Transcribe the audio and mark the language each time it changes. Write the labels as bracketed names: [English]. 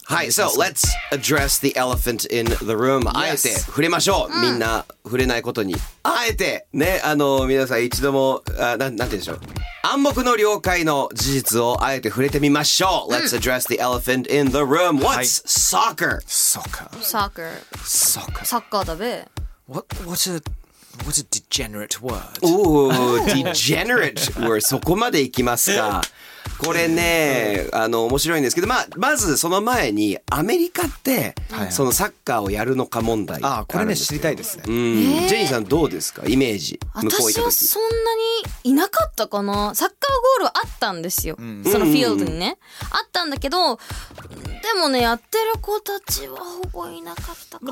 [Japanese] はい、 [English] So let's address the elephant in the room、yes. [Japanese] あえて触れましょう、うん、みんな触れないことにあえてね、あの皆さん一度も なんて言うんでしょう暗黙の了解の事実をあえて触れてみましょう、うん、 [English] Let's address the elephant in the room、 [Japanese] はい、 [English] What's soccer? [Japanese] サッカーだべ [English] What's a degenerate word? Oh, degenerate word. [Japanese] そこまでいきますか。これね、あの面白いんですけど、まあまずその前にアメリカってそのサッカーをやるのか問題。あ、これね知りたいですね。うん、ジェニーさんどうですかイメージ？向こう行った時。私はそんなにいなかったかな。サッカーゴールはあったんですよ。うん、そのフィールドにね、うん、あったんだけど、でもねやってる子たちはほぼいなかったかな。